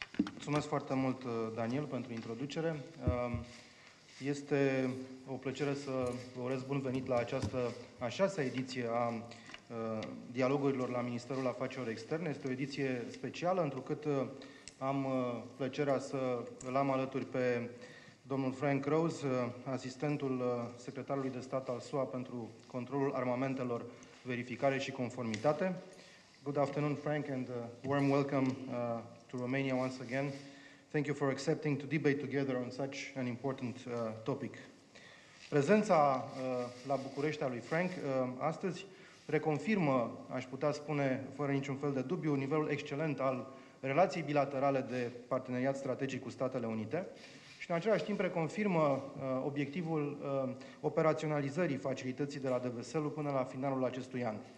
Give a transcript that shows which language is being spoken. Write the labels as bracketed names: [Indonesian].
[Romanian] Mulțumesc foarte mult, Daniel, pentru introducere. Este o plăcere să vă urez bun venit la această a 6-a ediție a dialogurilor la Ministerul Afacerilor Externe. Este o ediție specială, întrucât am plăcerea să îl am alături pe domnul Frank Rose, asistentul secretarului de stat al SUA pentru controlul armamentelor, verificare și conformitate. [English] Good afternoon, Frank, and warm welcome to Romania once again. Thank you for accepting to debate together on such an important topic. [Romanian] Prezența la București a lui Frank astăzi reconfirmă, aș putea spune, fără niciun fel de dubiu, nivelul excelent al relației bilaterale de parteneriat strategic cu Statele Unite și, în același timp, reconfirmă obiectivul operaționalizării facilității de la Deveselu până la finalul acestui an.